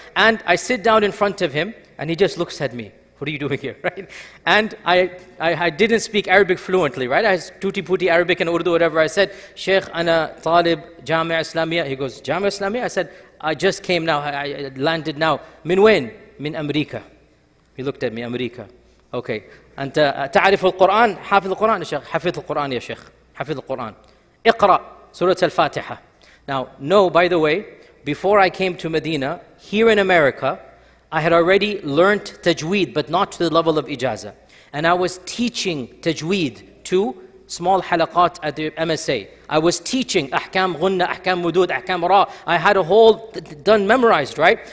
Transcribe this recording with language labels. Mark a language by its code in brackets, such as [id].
[en] And I sit down in front of him, and he just looks at me. What are you doing here, right? And I didn't speak Arabic fluently, right? I had tutti-putti Arabic and Urdu, whatever. I said, Sheikh, ana talib, Jami' Islamiyah. He goes, Jami' Islamiyah? I said, I just came now, I landed now. Min when? Min America. He looked at me, America. Okay. [ar] أنت تعرف القرآن حافظ القرآن يا شيخ حافظ القرآن يا شيخ حافظ القرآن اقرأ سورة الفاتحة. [en] Now, no, by the way, before I came to Medina, here in America, I had already learned tajweed, but not to the level of ijazah. And I was teaching tajweed to small halaqat at the MSA. I was teaching ahkam ghunna, ahkam mudud, ahkam ra. I had a whole done memorized, right?